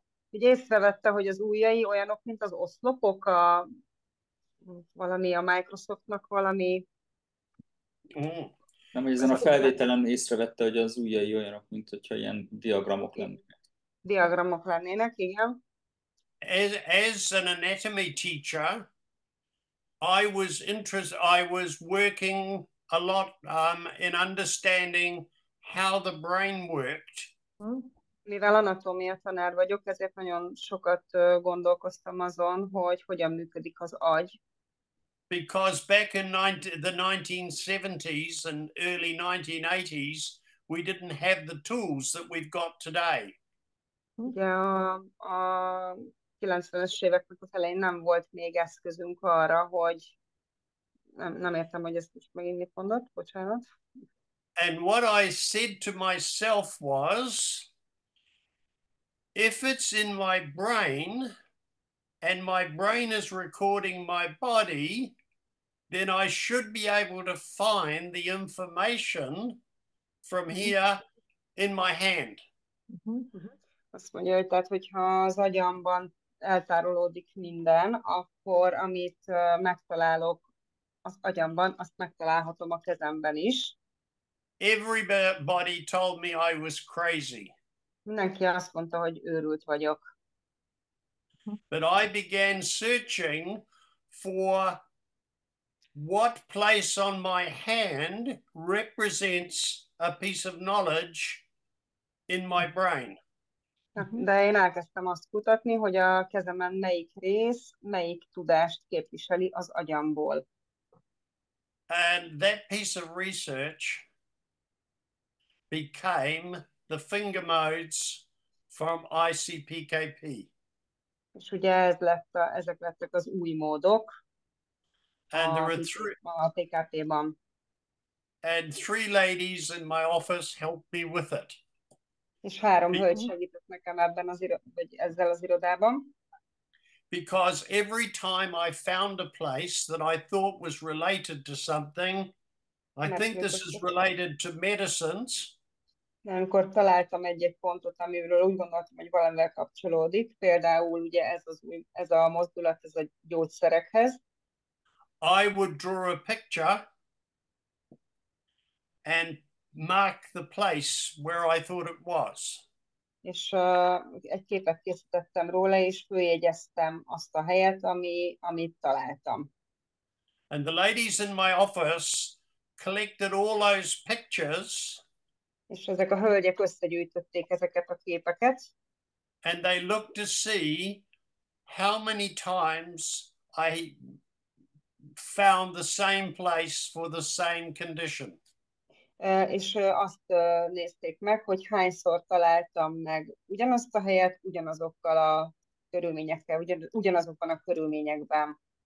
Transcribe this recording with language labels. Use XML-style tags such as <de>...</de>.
<hu>Úgy észrevette, hogy az ujjai olyanok, mint az oszlopok, a Microsoftnak valami... Nem, hogy ezen a felvételen észrevette, hogy az ujjai olyanok, mint hogyha ilyen diagramok lennének. Diagramok lennének, igen.</hu> <en>As an anatomy teacher, I was working a lot in understanding how the brain worked.</en> <hu>Mivel anatómia tanár vagyok, ezért nagyon sokat gondolkoztam azon, hogy hogyan működik az agy.</hu> <en>Because back in the 1970s and early 1980s, we didn't have the tools that we've got today.</en> <hu>Ugye a 90-es éveknek az elején nem volt még eszközünk arra, hogy Nem értem, hogy ezt is megint mit mondott, bocsánat.</hu> <en>And what I said to myself was, if it's in my brain, and my brain is recording my body, then I should be able to find the information from here in my hand.</en> <hu>Azt mondja, hogy tehát, hogyha az agyamban eltárolódik minden, akkor amit megtalálok az agyamban, azt megtalálhatom a kezemben is.</hu> <en>Everybody told me I was crazy.</en> <hu>Mindenki azt mondta, hogy őrült vagyok.</hu> <en>But I began searching for what place on my hand represents a piece of knowledge in my brain.</en> <hu>De én elkezdtem azt kutatni, hogy a kezemen melyik rész, melyik tudást képviseli az agyamból.</hu> <en>And that piece of research became the finger modes from ICPKP.</en> <hu>És ugye ez lett a, ezek lettek az új módok</hu> <en>and there were three,</en> <hu>a TKT-ban.</hu> <en>And three ladies in my office helped me with it.</en> <hu>És három hölgy segített nekem ebben az ezzel az irodában.</hu> <en>Because every time I found a place that I thought was related to something, I think this is related to medicines.</en> <hu>Amikor találtam egy-egy pontot, amiről úgy gondoltam, hogy valamivel kapcsolódik, például ugye ez az új, ez a mozdulat, ez a gyógyszerekhez.</hu> <en>I would draw a picture and mark the place where I thought it was.</en> <hu>És egy képet készítettem róla, és följegyeztem azt a helyet, amit találtam.</hu> <en>And the ladies in my office collected all those pictures.</en> <hu>És ezek a hölgyek összegyűjtötték ezeket a képeket.</hu> <en>And they looked to see how many times I found the same place for the same condition.</en> <hu>És azt nézték meg, hogy hányszor találtam meg ugyanazt a helyet, ugyanazokkal a körülményekkel, ugyanazokban a körülményekben.</hu>